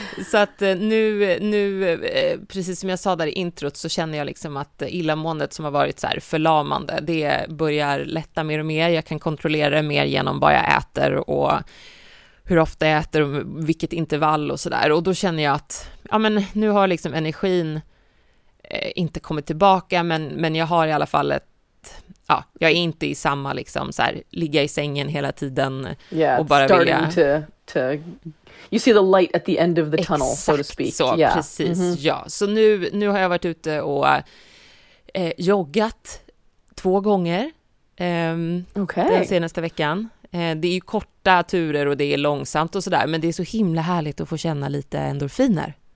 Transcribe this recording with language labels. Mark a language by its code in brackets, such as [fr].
[sv] Så att nu, precis som jag sa där i introt, så känner jag liksom att illamåendet som har varit så här förlamande, det börjar lätta mer och mer. Jag kan kontrollera det mer genom vad jag äter och hur ofta jag äter och vilket intervall och sådär. Och då känner jag att ja, men nu har liksom energin inte kommit tillbaka, men jag har i alla fall ett... Ja, jag är inte i samma liksom så här, ligga i sängen hela tiden och bara vilja... [en] You see the light at the end of the tunnel. [sv] Exakt, [en] so to speak. [sv] Så, yeah. Precis. Mm-hmm. Ja. Så nu har jag varit ute och joggat 2 gånger den senaste veckan. Det är ju korta turer och det är långsamt och sådär, men det är så himla härligt att få känna lite endorfiner.